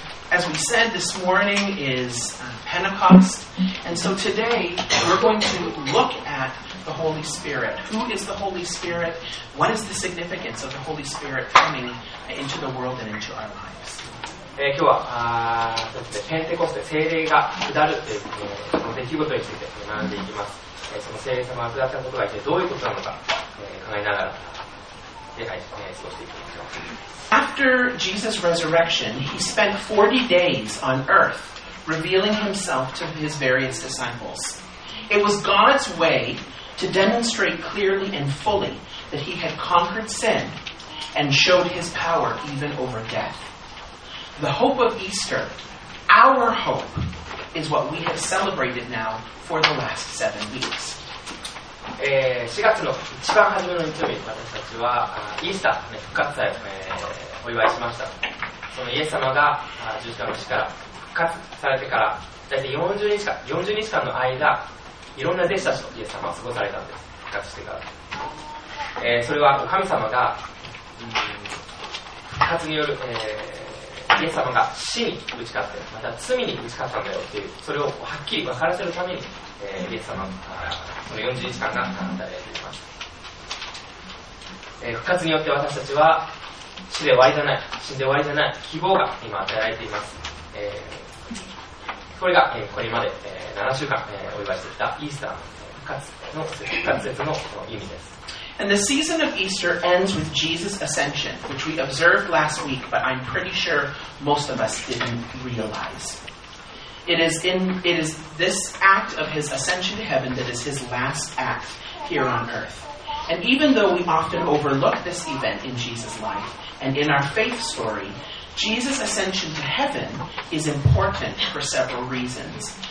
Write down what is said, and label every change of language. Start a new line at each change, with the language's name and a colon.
English: As we said, this morning is Pentecost, and so today we're going to look at the Holy Spirit. Who is the Holy Spirit? What is the significance of the Holy Spirit coming into the world and into our lives?
Japanese: 今日は、ペンテコステ、聖霊が下るという、この出来事について学んでいきます。その聖霊様が下ったことが一体どういうことなのか、考えながら、過ごしていきましょう。
English: After Jesus' resurrection, he spent 40 days on earth, revealing himself to his various disciples. It was God's way to demonstrate clearly and fully that he had conquered sin and showed his power even over death. The hope of Easter, our hope, is what we have celebrated now for the last 7 weeks.
Japanese: 4月の一番初めの日曜日に私たちはイースター、復活祭を、お祝いしました。そのイエス様が十字架の死から復活されてから大体40日間の間、いろんな弟子たちとイエス様は過ごされたんです。復活してから、それは神様が復活による、イエス様が死に打ち勝って、また罪に打ち勝ったんだよっていう、それをはっきり分からせるためにイエス様この40日間が与えられています。復活によって私たちは死で終わりじゃない、死んで終わりじゃない希望が今与えられています。これが、これまで、7週間、お祝いしてきたイースターの復活説の意味です。
English: And the season of Easter ends with Jesus' ascension, which we observed last week, but I'm pretty sure most of us didn't realizeIt is this act of his ascension to heaven that is his last act here on earth. And even though we often overlook this event in Jesus' life and in our faith story, Jesus' ascension to heaven is important for several reasons.